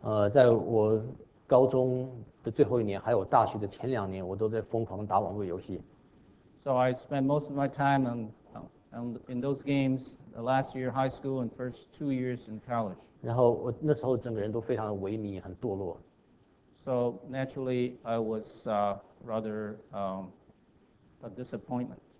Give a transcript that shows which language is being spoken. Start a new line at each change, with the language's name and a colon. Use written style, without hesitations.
Chinese: 在我高中的最后一年，还有大学的前两年，我都在疯狂打网络游戏。
English: So I spent most of my time in those games the last year high school and first 2 years in college.
Chinese: 然后我那时候整个人都非常的萎靡，很堕落。
English: So naturally, I was rather a disappointment.